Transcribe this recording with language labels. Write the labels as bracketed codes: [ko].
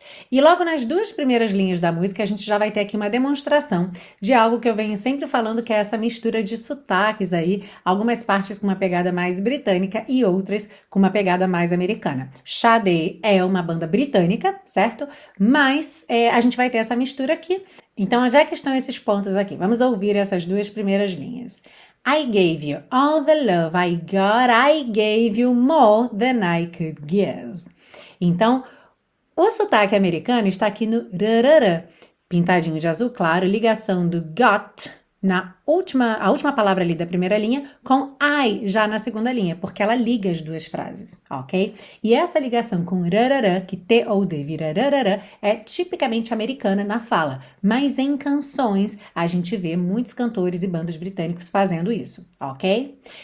[pt] E logo nas duas primeiras linhas da música, a gente já vai ter aqui uma demonstração de algo que eu venho sempre falando, que é essa mistura de sotaques aí, algumas partes com uma pegada mais britânica e outras com uma pegada mais americana. Sade é uma banda britânica, certo? Mas a gente vai ter essa mistura aqui. Então, onde é que estão esses pontos aqui? Vamos ouvir essas duas primeiras linhas. [en] I gave you all the love I got, I gave you more than I could give. [pt] Então, o sotaque americano está aqui no rarara, pintadinho de azul claro, ligação do got na última, a última palavra ali da primeira linha, com I já na segunda linha, porque ela liga as duas frases, ok? E essa ligação com rarara, que T ou D vira rarara, é tipicamente americana na fala, mas em canções a gente vê muitos cantores e bandas britânicos fazendo isso, ok?